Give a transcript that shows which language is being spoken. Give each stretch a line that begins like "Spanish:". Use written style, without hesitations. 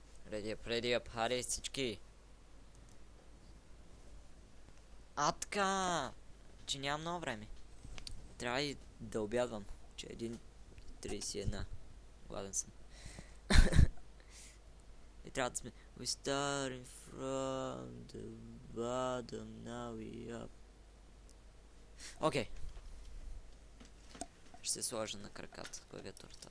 English: Ready up, ready up, hurry, всички.
Bulgarian: А така, че нямам много време. Трябва и да обядвам, че 1.31. Гладен съм. И трябва да сме...
English: We starting from the bottom, now we up. Окей. Okay.
Bulgarian: Ще се сложа на краката клавиатурата.